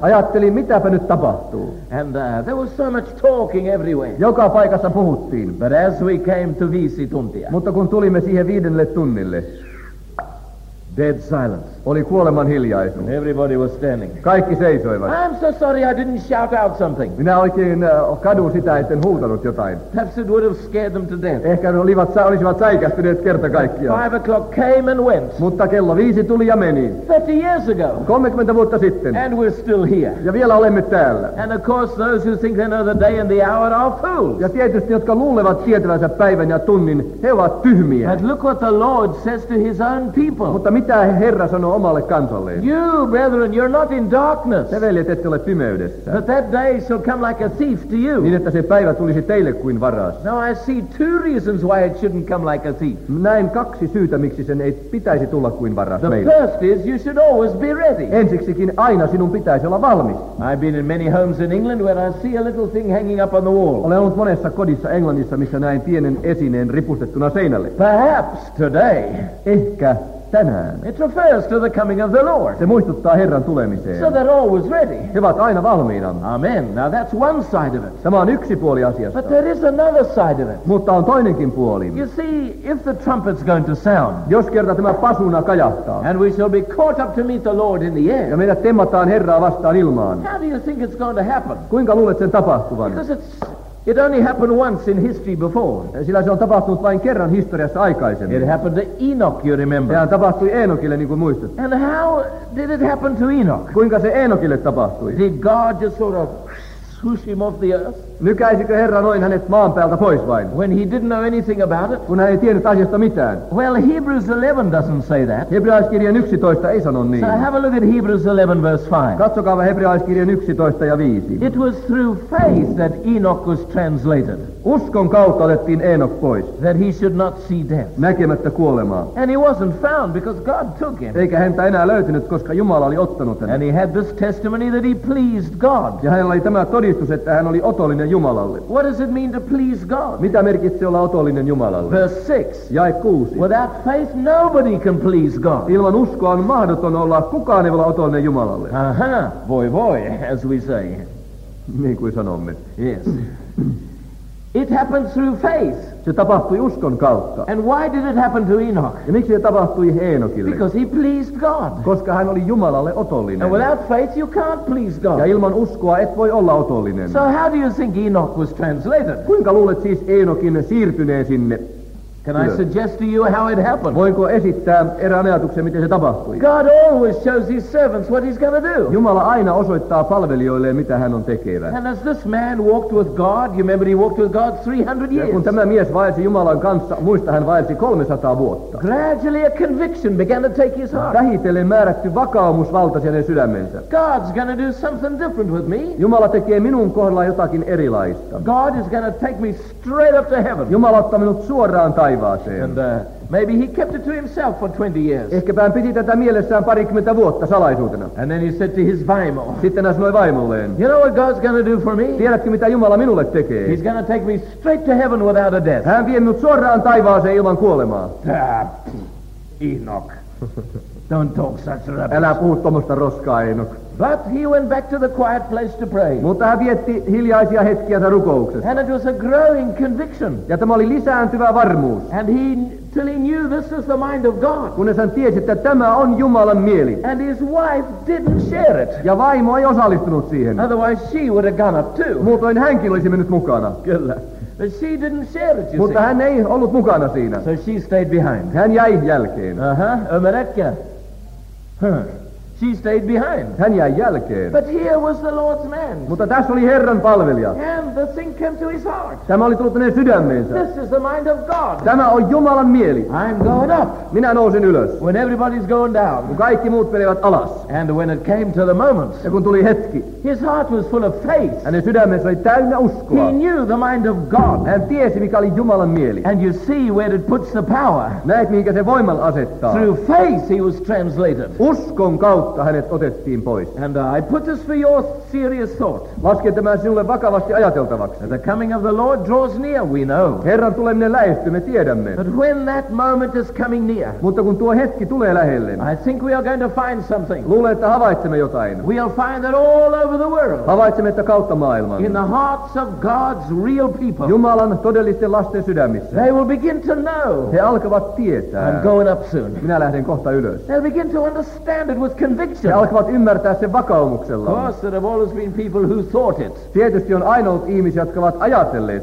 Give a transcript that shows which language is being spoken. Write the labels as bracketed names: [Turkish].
[Finnish] Ajattelin, mitäpä nyt tapahtuu. [English] And there was so much talking everywhere. [Finnish] Joka paikassa puhuttiin. [English] But as we came to 5 [Finnish] tuntia. Mutta kun tulimme siihen 5 tunnille. [English] Dead silence. [Finnish] Oli kuoleman hiljaisuus. [English] And everybody was standing. [Finnish] Kaikki seisoivat. [English] I'm so sorry I didn't shout out something. [Finnish] Minä oikein kadun sitä, etten huutanut jotain. [English] Perhaps it would have scared them to death. [Finnish] Ehkä ne olisivat säikästyneet kerta kaikkiaan. [English] 5 o'clock came and went. [Finnish] Mutta kello 5 tuli ja meni. [English] 30 years ago. [Finnish] 30 vuotta sitten. [English] And we're still here. [Finnish] Ja vielä olemme täällä. [English] And of course those who think they know the day and the hour are fools. [Finnish] Ja tietysti, jotka luulevat tietävänsä päivän ja tunnin, he ovat tyhmiä. [English] But look what the Lord says to his own people. [Finnish] Mutta mitä Herra sanoo omalle kansalleen? [English] You, brethren, you're not in darkness. [Finnish] Te veljet, ette ole pimeydessä. [English] But that day shall come like a thief to you. [Finnish] Niin, että se päivä tulisi teille kuin varas. [English] Now I see two reasons why it shouldn't come like a thief. [Finnish] Näin kaksi syytä, miksi sen ei pitäisi tulla kuin varas [English] the [Finnish] meille. [English] The first is you should always be ready. [Finnish] Ensiksikin aina sinun pitäisi olla valmis. [English] I've been in many homes in England where I see a little thing hanging up on the wall. [Finnish] Olen ollut monessa kodissa Englannissa, missä näin pienen esineen ripustettuna seinälle. [English] Perhaps today. [Finnish] Ehkä tänään. [English] It refers to the coming of the Lord. [Finnish] Se muistuttaa Herran tulemiseen. [English] So they're always ready. [Finnish] He ovat aina valmiina. [English] Amen. Now that's one side of it. [Finnish] Tämä on yksi puoli asiasta. [English] But there is another side of it. [Finnish] Mutta on toinenkin puoli. [English] You see, if the trumpet's going to sound. [Finnish] Jos kerta tämä pasuna kajahtaa. [English] And we shall be caught up to meet the Lord in the air. [Finnish] Ja meidät temmataan Herraa vastaan ilmaan. [English] How do you think it's going to happen? [Finnish] Kuinka luulet sen tapahtuvan? [English] Because it only happened once in history before. [Finnish] Sillä se on tapahtunut vain kerran historiassa aikaisemmin. [English] It happened to Enoch, you remember. [Finnish] Sehän tapahtui Enokille, niin kuin muistat. [English] And how did it happen to Enoch? [Finnish] Kuinka se Enokille tapahtui? [English] Did God just sort of swoosh him off the earth? [Finnish] Nykäisikö Herra noin hänet maan päältä pois vain? [English] When he didn't know anything about it? [Finnish] Kun hän ei tiennyt asiasta mitään. [English] Well, Hebrews 11 doesn't say that. [Finnish] Hebrealaiskirjan 11 ei sano niin. [English] So have a look at Hebrews 11 verse 5. [Finnish] Katsokaa Hebrealaiskirjan 11 ja 5. [English] It was through faith that Enoch was translated. [Finnish] Uskon kautta otettiin Enoch pois. [English] That he should not see death. [Finnish] Näkemättä kuolemaa. [English] And he wasn't found because God took him. [Finnish] Eikä häntä enää löytynyt, koska Jumala oli ottanut hänet. [English] And he had this testimony that he pleased God. [Finnish] Ja hänellä oli tämä todistus, että hän oli otollinen Jumalalle. [English] What does it mean to please God? [Finnish] Mitä merkitsee olla otollinen Jumalalle? [English] Verse 6. [Finnish] Jae 6. [English] Without faith nobody can please God. [Finnish] Ilman uskoa on mahdoton olla, kukaan ei voi olla otollinen Jumalalle. Aha, voi voi, [English] as we say. [Finnish] Niin kuin sanomme. [English] Yes. It happened through faith. [Finnish] Se tapahtui uskon kautta. [English] And why did it happen to Enoch? [Finnish] Ja miksi se tapahtui Enokille? [English] Because he pleased God. [Finnish] Koska hän oli Jumalalle otollinen. [English] And without faith you can't please God. [Finnish] Ja ilman uskoa et voi olla otollinen. [English] So how do you think Enoch was translated? [Finnish] Kuinka luulet siis Enokin siirtyneen sinne? [English] Can I suggest to you how it happened? [Finnish] Voinko esittää erään ajatuksen, miten se tapahtui? [English] God always shows his servants what he's going to do. [Finnish] Jumala aina osoittaa palvelijoilleen, mitä hän on tekevä. [English] And as this man walked with God, you remember he walked with God 300 years. [Finnish] Ja kun tämä mies vaelsi Jumalan kanssa, muista hän vaelsi 300 vuotta. [English] Gradually a conviction began to take his heart. [Finnish] Vähitellen määrätty vakaumus valtasi hänen sydämensä. [English] God's going to do something different with me. [Finnish] Jumala tekee minun kohdalla jotakin erilaista. [English] God is going to take me straight up to heaven. [Finnish] Jumala ottaa minut suoraan taivaan. [English] And maybe he kept it to himself for 20 years. [Finnish] Ehkäpä hän piti tätä mielessään parikymmentä vuotta salaisuutena. [English] And then he said to his [Finnish] vaimo. Sitten hän sanoi vaimolleen. [English] You know what God's gonna do for me? [Finnish] Tiedätkö mitä Jumala minulle tekee? [English] He's gonna take me straight to heaven without a death. [Finnish] Hän vie minut suoraan taivaaseen ilman kuolemaa. [English] Enoch. Don't talk such rubbish. [Finnish] Älä puhu tuommoista roskaa, Enoch. [English] But he went back to the quiet place to pray. [Finnish] Mutta hän vietti hiljaisia hetkiä rukouksessa. [English] And it was a growing conviction. [Finnish] Ja tämä oli lisääntyvä varmuus. [English] And he till he knew this is the mind of God. [Finnish] Kunnes hän tiesi, että tämä on Jumalan mieli. [English] And his wife didn't share it. [Finnish] Ja vaimo ei osallistunut siihen. [English] Otherwise she would have gone up too. [Finnish] Muutoin hänkin olisi mennyt mukana. Kyllä. [English] But she didn't share it, you [Finnish] Mutta [English] see. [Finnish] Hän ei ollut mukana siinä. [English] So she stayed behind. [Finnish] Hän jäi jälkeen. [English] Ömeretkä. She stayed behind. [Finnish] Hän jäi jälkeen. [English] But here was the Lord's man. [Finnish] Mutta tässä oli Herran palvelija. [English] And the thing came to his heart. [Finnish] Tämä oli tullut hänen sydämeensä. [English] This is the mind of God. [Finnish] Tämä on Jumalan mieli. [English] I'm going up. [Finnish] Minä nousin ylös. [English] When everybody's going down. [Finnish] Kun kaikki muut menevät alas. [English] And when it came to the moment. [Finnish] Ja kun tuli hetki. [English] His heart was full of faith. [Finnish] Hänen sydämeensä oli täynnä uskoa. [English] He knew the mind of God. [Finnish] Hän tiesi, mikä oli Jumalan mieli. [English] And you see where it puts the power. [Finnish] Näet, mihinkä se voiman asettaa. [English] Through faith he was translated. [Finnish] Uskon kautta. palkka hänet otettiin pois. [English] And I put this for your serious thought. [Finnish] Laskin tämän sinulle vakavasti ajateltavaksi. [English] The coming of the Lord draws near, we know. [Finnish] Herran tuleminen lähestyy, me tiedämme. [English] But when that moment is coming near. [Finnish] Mutta kun tuo hetki tulee lähelle. [English] I think we are going to find something. [Finnish] Luulen, että havaitsemme jotain. [English] We'll find that all over the world. [Finnish] Havaitsemme, että kautta maailman. [English] In the hearts of God's real people. [Finnish] Jumalan todellisten lasten sydämissä. [English] They will begin to know. [Finnish] He alkavat tietää. [English] I'm going up soon. [Finnish] Minä lähden kohta ylös. [English] They'll begin to understand it with conviction. [Finnish] He alkavat ymmärtää sen vakaumuksella. [English] Of course, there have always been people who thought it. [Finnish] Tietysti on aina ollut ihmisiä, jotka ovat ajatelleet.